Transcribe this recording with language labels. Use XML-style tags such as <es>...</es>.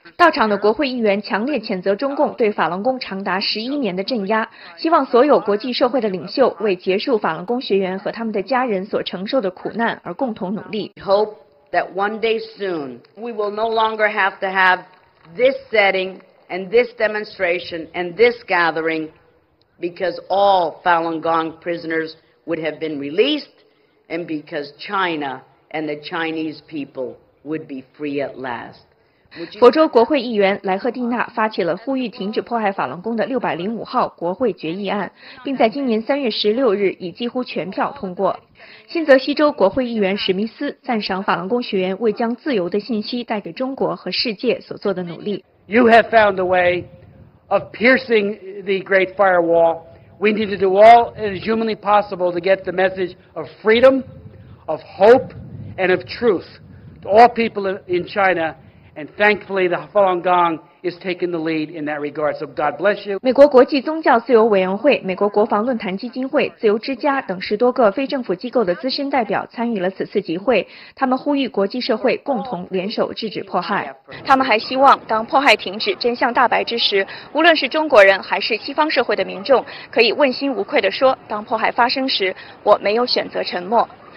<zh>到场的国会议员强烈谴责中共对法轮功长达11年的镇压，希望所有国际社会的领袖为结束法轮功学员和他们的家人所承受的苦难而共同努力。</zh> <en>We hope that one day soon we will no longer have to have this setting and this demonstration and this gathering because all Falun Gong prisoners would have been released and because China and the Chinese people would be free at last.</en> <zh>佛州国会议员莱赫蒂娜发起了呼吁停止迫害法轮功的605号国会决议案，并在今年3月16日以几乎全票通过。新泽西州国会议员史密斯赞赏法轮功学员为将自由的信息带给中国和世界所做的努力。</zh> <en>You have found a way of piercing the great firewall. We need to do all that is humanly possible to get the message of freedom, of hope, and of truth to all people in China. And thankfully, the Falun Gong is taking the lead in that regard. So God bless you.</en> <zh>美国国际宗教自由委员会、美国国防论坛基金会、自由之家等十多个非政府机构的资深代表参与了此次集会。他们呼吁国际社会共同联手制止迫害。他们还希望，当迫害停止、真相大白之时，无论是中国人还是西方社会的民众，可以问心无愧地说：当迫害发生时，我没有选择沉默。</zh>